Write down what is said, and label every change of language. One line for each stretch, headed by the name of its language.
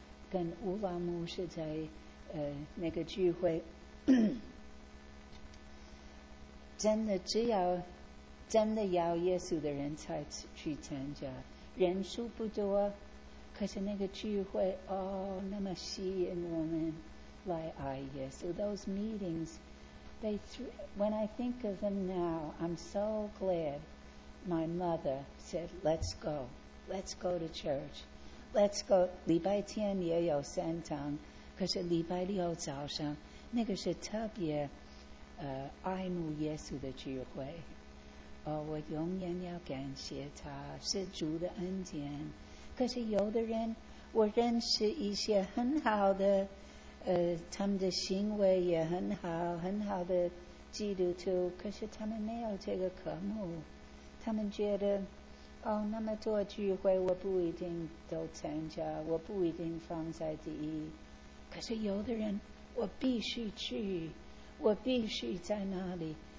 Chinese: 跟乌拉牧师在那个聚会，真的只要真的要耶稣的人才去参加，人数不多，可是那个聚会哦，那么吸引我们。
English: Like I, yes. So those meetings, when I think of them now, I'm so glad my mother said, let's go. Let's go to church. Let's go.
Chinese: 礼拜天也有三堂，可是礼拜六早上，那个是特别爱慕耶稣的聚会。 Oh, 我永远要感谢他，是主的恩典。可是有的人，我认识一些很好的他们的行为也很好，很好的基督徒，可是他们没有这个渴慕，他们觉得哦，那么多聚会我不一定都参加，我不一定放在第一，可是有的人我必须去，我必须在那里。